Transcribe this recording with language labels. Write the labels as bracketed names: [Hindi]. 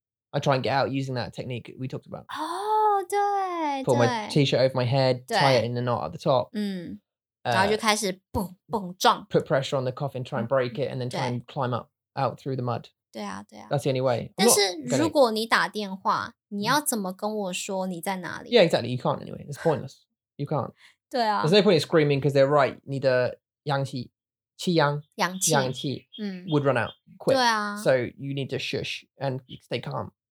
[English] I try and get out using that technique we talked about. Oh. 对 Pull my t-shirt over my head, tie it in a knot at the top.、 [Chinese] 嗯、然后就开始蹦蹦撞。 [English] Put pressure on the coffin, try and break it, and then try and climb up out through the mud. [Chinese] 对啊对啊 [English] That's the only way. [Chinese] 但是如果你打电话你要怎么跟我说你在哪里 [English] Yeah, exactly. You can't anyway. It's pointless. You can't. [Chinese] 对啊 [English] There's no point in screaming because they're right. [Chinese] 你的氧气气氧氧气氧气、嗯、 [English] would run out quick. [Chinese] 对啊 [English] So you need to shush and stay calm.